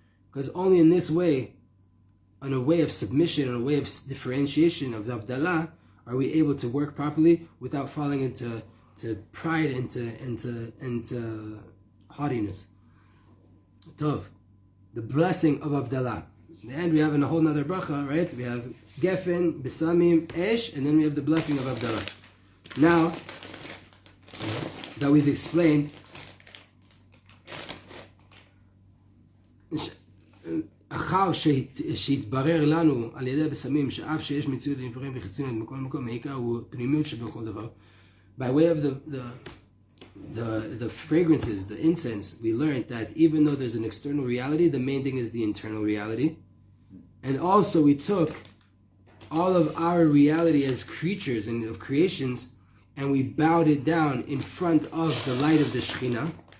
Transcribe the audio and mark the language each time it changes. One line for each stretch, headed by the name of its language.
English: Because only in this way, on a way of submission, on a way of differentiation of Avdalah, are we able to work properly without falling into pride and to haughtiness. Tov, the blessing of Avdalah. In the end, we have in a whole nother bracha, right? We have Gefen, Besamim, Esh, and then we have the blessing of Avdalah. Now that we've explained,
Hebrew: אחר שיתברר לנו על ידי בסמים שאף שיש מציאות לנברים וחיצוניות בכל מקום מעיקר הוא פנימיות שבכל דבר.
English: By way of the fragrances, the incense, we learned that even though there's an external reality, the main thing is the internal reality. And also we took all of our reality as creatures and of creations and we bowed it down in front of the light of the Shekhinah.